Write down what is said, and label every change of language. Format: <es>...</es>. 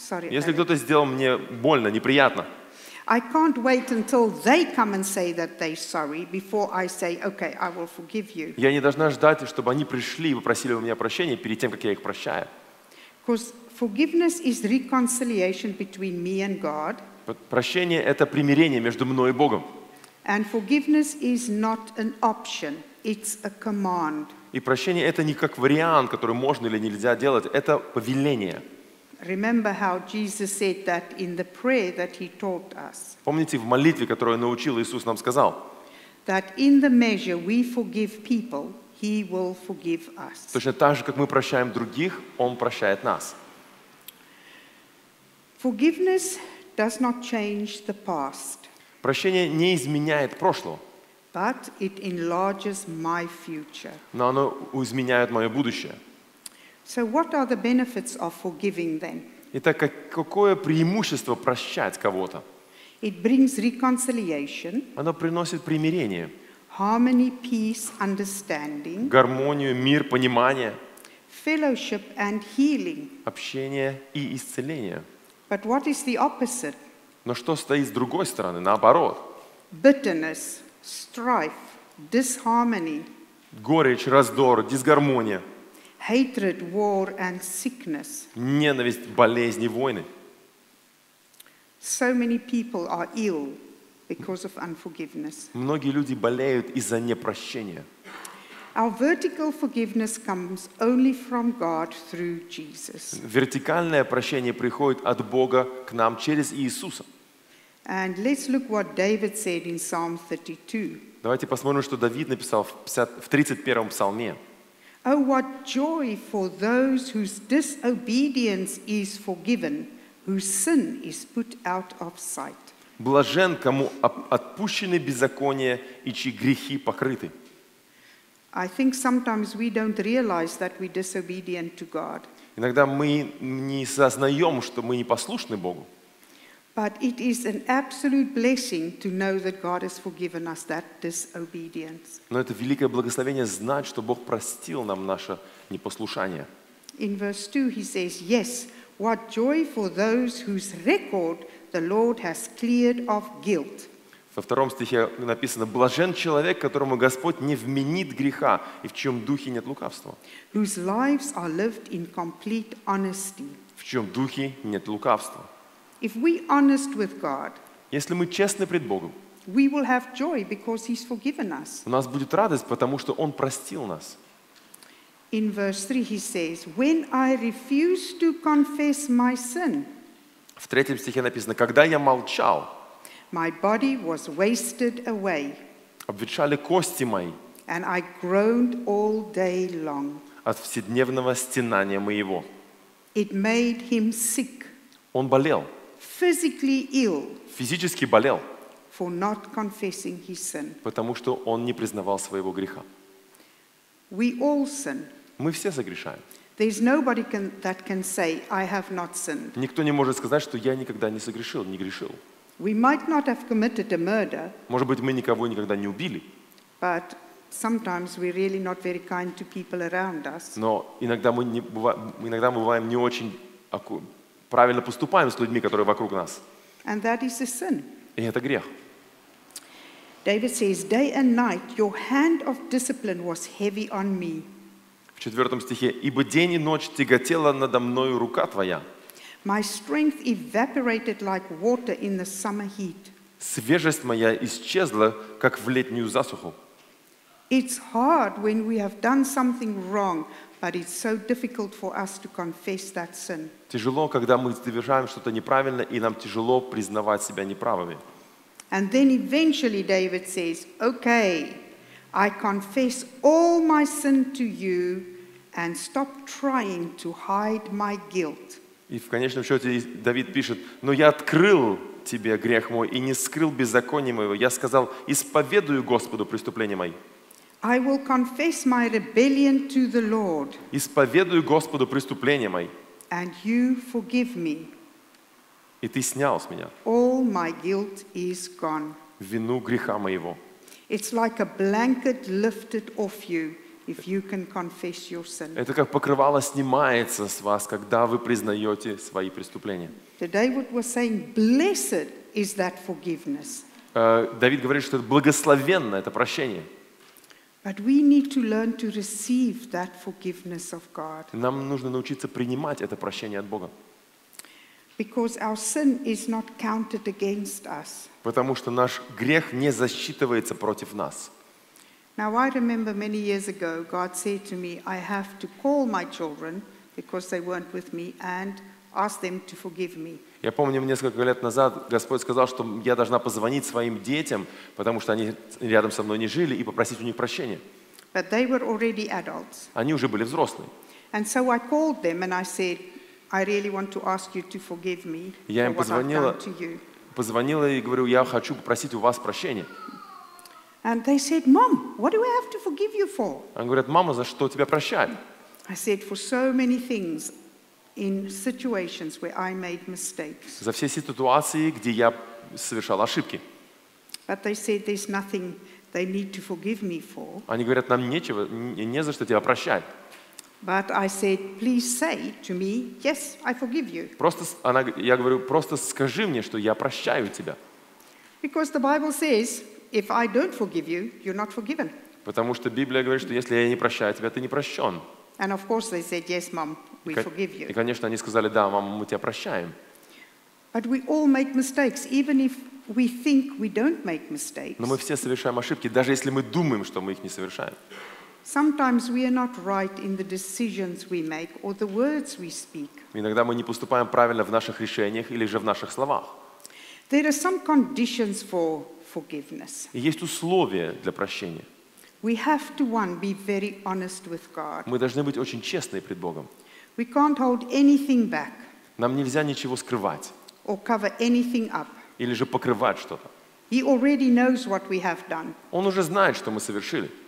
<ru>если кто-то сделал мне больно, неприятно,</ru> <en>I can't wait until they come and say that they're sorry before I say, okay, I will forgive you.</en> <ru>Я не должна ждать, чтобы они пришли и попросили у меня прощения перед тем, как я их прощаю.</ru> <en>Because forgiveness is reconciliation between me and God.</en> <ru>Прощение это примирение между мной и Богом.</ru> <en>And forgiveness is not an option; it's a command.</en> <ru>И прощение это не как вариант, который можно или нельзя делать, это повеление.</ru> <en>Remember how Jesus said that in the prayer that He taught us.</en> <ru>Помните в молитве, которую научил Иисус нам сказал.</ru> <en>That in the measure we forgive people, He will forgive us.</en> <ru>Точно так же, как мы прощаем других, Он прощает нас.</ru> <en>Forgiveness does not change the past.</en> <ru>Прощение не изменяет прошлого.</ru> <en>But it enlarges my future.</en> <ru>Но оно изменяет мое будущее.</ru> <en>So what are the benefits of forgiving then?</en> <ru>Итак, какое преимущество прощать кого-то?</ru> <en>It brings reconciliation.</en> <ru>Оно приносит примирение.</ru> <en>Harmony, peace, understanding.</en> <ru>Гармонию, мир, понимание.</ru> <en>Fellowship and healing.</en> <ru>Общение и исцеление.</ru> <en>But what is the opposite?</en> <ru>Но что стоит с другой стороны, наоборот?</ru> <en>Bitterness, strife, disharmony.</en> <ru>Горечь, раздор, дисгармония.</ru> <en>Hatred, war and sickness.</en> <ru>Ненависть, болезни, войны.</ru> <en>So many people are ill. because of unforgiveness.</en> <ru>Многие люди болеют из-за непрощения.</ru> <en>Our vertical forgiveness comes only from God through Jesus.</en> <ru>Вертикальное прощение приходит от Бога к нам через Иисуса.</ru> <en>And let's look what David said in Psalm 32.</en> <ru>Давайте посмотрим, что Давид написал в 31-м псалме.</ru> <en>Oh, what joy for those whose disobedience is forgiven, whose sin is put out of sight.</en> <ru>Блажен, кому отпущены беззакония и чьи грехи покрыты.</ru> <en>I think sometimes we don't realize that we're disobedient to God.</en> <ru>Иногда мы не сознаем, что мы непослушны Богу.</ru> <en>But it is an absolute blessing to know that God has forgiven us that disobedience.</en> <ru>Но это великое благословение знать, что Бог простил нам наше непослушание.</ru> <en>In verse 2 he says, "Yes, what joy for those whose record the Lord has cleared of guilt."</en> <ru>Во втором стихе написано: "Блажен человек, которому Господь не вменит греха и в чьем духе нет лукавства."</ru> <en>Whose lives are lived in complete honesty.</en> <ru>В чьем духе нет лукавства.</ru> <en>If we honest with God,</en> <ru>если мы честны пред Богом,</ru> <en>we will have joy because He's forgiven us.</en> <ru>У нас будет радость, потому что Он простил нас.</ru> <en>In verse 3 he says, "When I refuse to confess my sin."</en> <ru>В третьем стихе написано: "Когда я молчал,</ru> <en>my body was wasted away.</en> <ru>Обветшали кости мои.</ru> <en>And I groaned all day long."</en> <ru>От вседневного стенания моего.</ru> <en>It made him sick.</en> <ru>Он болел.</ru> <en>Physically ill.</en> <ru>Физически болел.</ru> <en>For not confessing his sin.</en> <ru>Потому что он не признавал своего греха.</ru> <en>We all sin.</en> <ru>Мы все согрешаем.</ru> <en>There's nobody that can say I have not sinned.</en> <ru>Никто не может сказать, что я никогда не согрешил, не грешил.</ru> <en>We might not have committed a murder.</en> <ru>Может быть, мы никого никогда не убили.</ru> <en>But sometimes we're really not very kind to people around us.</en> <ru>Но иногда мы бываем не очень аккуратны. Правильно поступаем с людьми, которые вокруг нас.</ru> <en>And that is a sin.</en> <ru>И это грех.</ru> <en>David says, "Day and night your hand of discipline was heavy on me."</en> <ru>В четвертом стихе: "Ибо день и ночь тяготела надо мною рука твоя."</ru> <en>My strength evaporated like water in the summer heat.</en> <ru>Свежесть моя исчезла, как в летнюю засуху.</ru> <en>It's hard when we have done something wrong. But it's so difficult for us to confess that sin.</en> <ru>Тяжело, когда мы совершаем что-то неправильно, и нам тяжело признавать себя неправыми.</ru> <en>And then eventually David says, "Okay, I confess all my sin to you and stop trying to hide my guilt."</en> <ru>И в конечном счете Давид пишет: "Но я открыл тебе грех мой и не скрыл беззаконие моего. Я сказал: исповедую Господу преступление мое."</ru> <en>I will confess my rebellion to the Lord.</en> <ru>Исповедую Господу преступления мои.</ru> <en>And you forgive me.</en> <ru>И ты снял с меня.</ru> <en>All my guilt is gone.</en> <ru>Вину греха моего.</ru> <en>It's like a blanket lifted off you if you can confess your sin.</en> <ru>Это как покрывало снимается с вас, когда вы признаете свои преступления.</ru> <en>Today what was saying, blessed is that forgiveness.</en> <ru>Давид говорит, что это благословенно, это прощение.</ru> <en>But we need to learn to receive that forgiveness of God.</en> <ru>Нам нужно научиться принимать это прощение от Бога.</ru> <en>Because our sin is not counted against us.</en> <ru>Потому что наш грех не засчитывается против нас.</ru> <en>Now I remember many years ago God said to me, "I have to call my children because they weren't with me and ask them to forgive me."</en> <ru>Я помню, несколько лет назад Господь сказал, что я должна позвонить своим детям, потому что они рядом со мной не жили, и попросить у них прощения.</ru> <en>But they were already adults.</en> <ru>Они уже были взрослые.</ru> <en>And so I called them and I said, "I really want to ask you to forgive me for what I've done to you."</en> <ru>Я им позвонила и говорю: "Я хочу попросить у вас прощения."</ru> <en>And they said, "Mom, what do I have to forgive you for?"</en> <ru>Они говорят: "Мама, за что тебя прощать?"</ru> <en>I said, "For so many things." In situations where I made mistakes.</en> <ru>За все ситуации, где я совершал ошибки.</ru> <en>But they said there's nothing they need to forgive me for.</en> <ru>Они говорят, нам нечего, не за что тебя прощать.</ru> <en>But I said, please say to me, yes, I forgive you.</en> <ru>Я говорю, просто скажи мне, что я прощаю тебя.</ru> <en>Because the Bible says, if I don't forgive you, you're not forgiven.</en> <ru>Потому что Библия говорит, что если я не прощаю тебя, ты не прощен.</ru> <en>And of course they said, yes, mom. We forgive you.</en> <ru>И, конечно, они сказали: "Да, мама, мы тебя прощаем."</ru> <en>But we all make mistakes, even if We think we don't make mistakes.</en> <ru>Но мы все совершаем ошибки, даже если мы думаем, что мы их не совершаем.</ru> <en>Sometimes we are not right in the decisions we make or the words we speak.</en> <ru>Иногда мы не поступаем правильно в наших решениях или же в наших словах.</ru> <en>There are some conditions for forgiveness.</en> <ru>Есть условия для прощения.</ru> <en>We have to, one, be very honest with God.</en> <ru>Мы должны быть очень честны пред Богом.</ru> <en>We can't hold anything back.</en> <ru>Нам нельзя ничего скрывать.</ru> <en>Or cover anything up.</en> <ru>Или же покрывать что-то.</ru> <en>He already knows what we have done.</en> <ru>Он уже знает, что мы совершили.</ru>